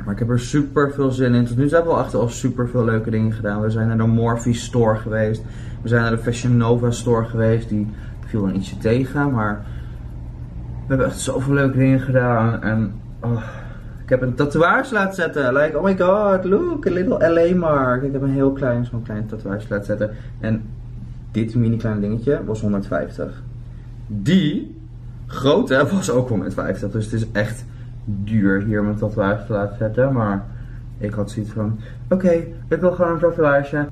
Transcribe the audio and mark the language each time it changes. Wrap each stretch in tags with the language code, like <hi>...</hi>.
<nl>Maar ik heb er super veel zin in. Tot nu toe hebben we achter al super veel leuke dingen gedaan. We zijn naar de Morphe Store geweest. We zijn naar de Fashion Nova Store geweest. Die viel dan ietsje tegen. Maar we hebben echt zoveel leuke dingen gedaan. En oh, ik heb een tatoeage laten zetten.</nl> <en>Like, oh my god, look, a little LA mark.</en> <nl>Ik heb een heel klein, zo'n klein tatoeage laten zetten. En dit mini kleine dingetje was 150. Die grote was ook wel met 50, dus het is echt duur hier mijn tatoeage te laten zetten. Maar ik had zoiets van, oké, ik wil gewoon een tatoeage.</nl>